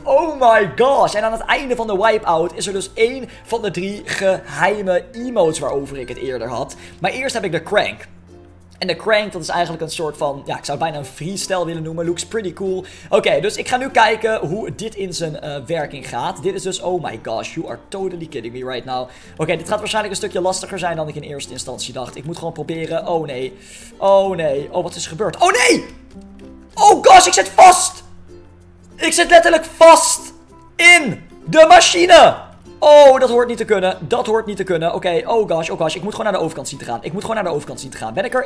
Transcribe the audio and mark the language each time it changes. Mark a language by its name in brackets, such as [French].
[English] Oh my gosh. [Dutch] En aan het einde van de wipeout is er dus 1 van de 3 geheime emotes waarover ik het eerder had. Maar eerst heb ik de Crank. En de Crank, dat is eigenlijk een soort van... Ja, ik zou het bijna een freestyle willen noemen. [English] Looks pretty cool. [Dutch] Oké, dus ik ga nu kijken hoe dit in zijn werking gaat. Dit is dus... [English] Oh my gosh, you are totally kidding me right now. [Dutch] Oké, dit gaat waarschijnlijk een stukje lastiger zijn dan ik in eerste instantie dacht. Ik moet gewoon proberen... Oh nee. Oh nee. Oh, wat is gebeurd? Oh nee! Oh gosh, ik zit vast! Ik zit letterlijk vast in de machine! Oh, dat hoort niet te kunnen. Dat hoort niet te kunnen. Oké, oh gosh, oh gosh. Ik moet gewoon naar de overkant zien te gaan. Ik moet gewoon naar de overkant zien te gaan. Ben ik er?